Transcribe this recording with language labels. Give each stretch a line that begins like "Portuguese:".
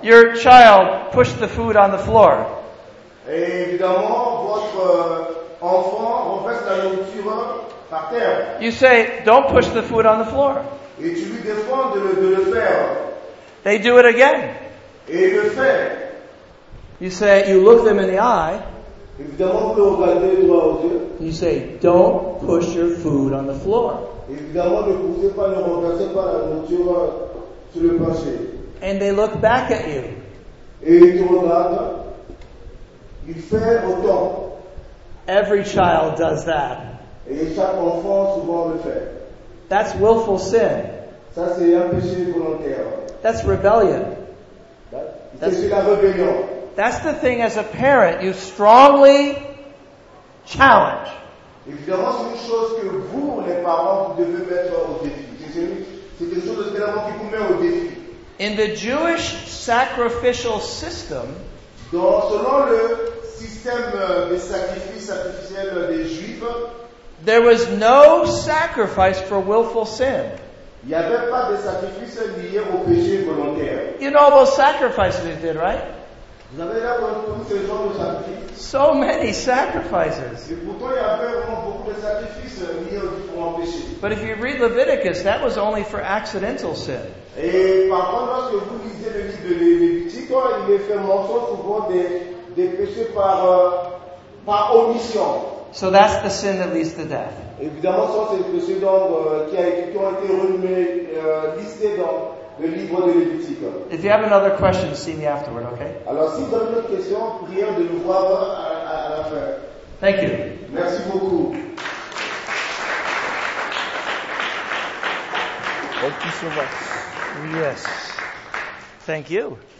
English: Your child pushed the food on the floor.
French: Et évidemment, votre enfant renverse la nourriture par terre.
English: You say, don't push the food on the floor.
French: Et tu lui défends de le faire.
English: They do it again.
French: Et le fait.
English: You say, you look them in the eye.
French: Évidemment, vous regardez droit aux yeux.
English: You say, don't push your food on the floor.
French: Évidemment, ne pouvez pas ne remplacer pas la nourriture sur le marché.
English: And they look back at you.
French: Et ils te regardent. Il fait autant.
English: Every child does that.
French: Et chaque enfant souvent le fait.
English: That's willful sin.
French: Ça, c'est un péché volontaire.
English: That's rebellion. That's the thing as a parent you strongly challenge.
French: Évidemment, c'est une chose que vous, les parents, vous devez mettre au défi. C'est une chose évidemment qui vous met au défi.
English: In the Jewish sacrificial system,
French: donc, selon le système des sacrifices sacrificiels des Juifs,
English: there was no sacrifice for willful sin.
French: Il n'y avait pas de sacrifice lié au péché volontaire.
English: You know all those sacrifices they did, right?
French: Vous avez là tous ces genres de sacrifices.
English: So many sacrifices.
French: Et pourtant, il y avait vraiment beaucoup de sacrifices liés au différents péchés.
English: But if you read Leviticus, that was only for accidental sin.
French: Et par contre, lorsque vous lisez le livre de Lévitique, il est fait mention souvent des péchés par omission.
English: So that's the sin that leads to death.
French: Évidemment, ça c'est le péché donc qui a été renommé listé dans le livre de Lévitique.
English: If you have another question, see me afterward, okay?
French: Alors, si vous avez une autre question, priez de nous voir à la fin.
English: Thank you.
French: Merci beaucoup.
English: Thank you so much. Yes. Thank you.